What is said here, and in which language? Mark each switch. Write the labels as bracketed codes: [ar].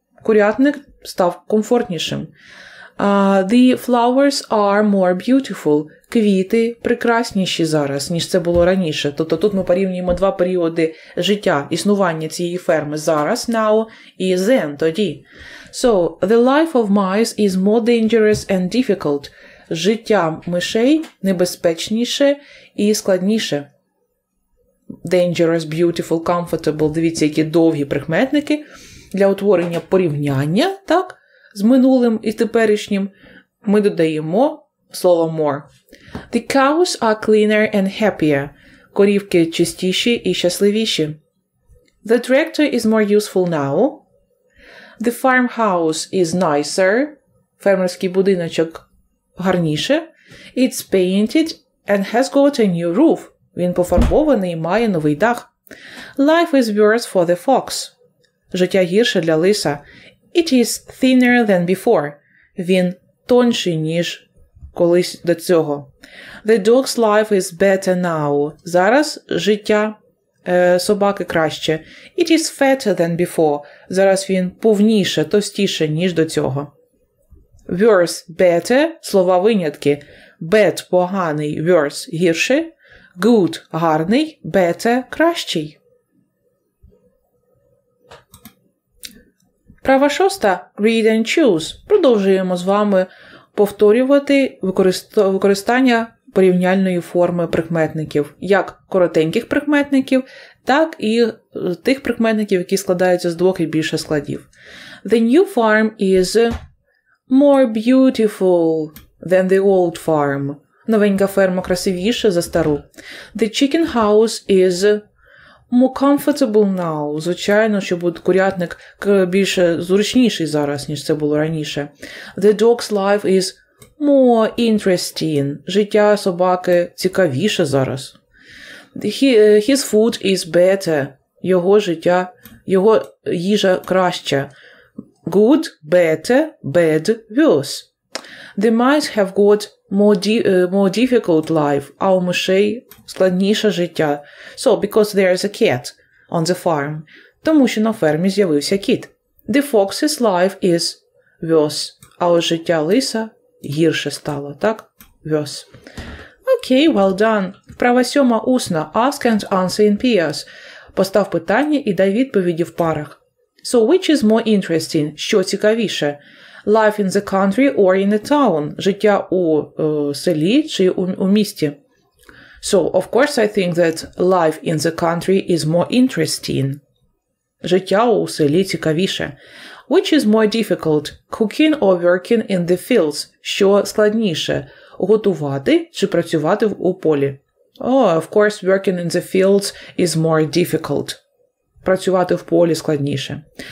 [uk] Курятник став комфортнішим. [en] The flowers are more beautiful. [uk] Квіти прекрасніші зараз, ніж це було раніше. Тобто тут ми порівнюємо два періоди життя, існування цієї ферми зараз, now, і then, тоді. [en] So, the life of mice is more dangerous and difficult. [uk] Життя мишей небезпечніше і складніше. [en] Dangerous, beautiful, comfortable. [uk] Дивіться, які довгі прикметники для утворення порівняння, так, з минулим і теперішнім. Ми додаємо слово [en] more. The cows are cleaner and happier. [uk] Корівки чистіші і щасливіші. [en] The tractor is more useful now. The farmhouse is nicer. [uk] Фермерський будиночок гарніше. [en] It's painted and has got a new roof. [uk] Він пофарбований і має новий дах. [en] Life is worse for the fox. [uk] Життя гірше для лиса. [en] It is thinner than before. [uk] Він тонший, ніж колись до цього. [en] The dog's life is better now. [uk] Зараз життя собаки краще. [en] It is fatter than before. [uk] Зараз він повніше, товстіше, ніж до цього. [en] Worse – better. [uk] Слова винятки. [en] Bad [uk] – поганий. [en] Worse [uk] – гірше. [en] Good [uk] – гарний, [en] better [uk] – кращий. Права шоста [en] – read and choose. [uk] Продовжуємо з вами повторювати використання порівняльної форми прикметників, як коротеньких прикметників, так і тих прикметників, які складаються з двох і більше складів. [en] The new farm is more beautiful than the old farm. [uk] Новенька ферма красивіша за стару. [en] The chicken house is more comfortable now. [uk] Звичайно, що буде курятник більш зручніший зараз, ніж це було раніше. [en] The dog's life is more interesting. [uk] Життя собаки цікавіше зараз. [en] His food is better. [uk] Його життя, його їжа краще. [en] Good, better, bad, worse. The mice have got more difficult life. [uk] А у мишей складніше життя. [en] So, because there is a cat on the farm. [uk] Тому що на фермі з'явився кіт. [en] The fox's life is worse. [uk] А у життя лиса гірше стало, так? [en] Worse. Okay, well done. [uk] Вправа сьома усна. [en] Ask and answer in pairs. [uk] Постав питання і дай відповіді в парах. [en] So, which is more interesting? [uk] Що цікавіше? [en] Life in the country or in a town? [uk] Життя у селі чи у місті? [en] So, of course, I think that life in the country is more interesting. [uk] Життя у селі цікавіше. [en] Which is more difficult? Cooking or working in the fields? [uk] Що складніше? Готувати чи працювати у полі? [en] Oh, of course, working in the fields is more difficult. [uk] Працювати в полі складніше.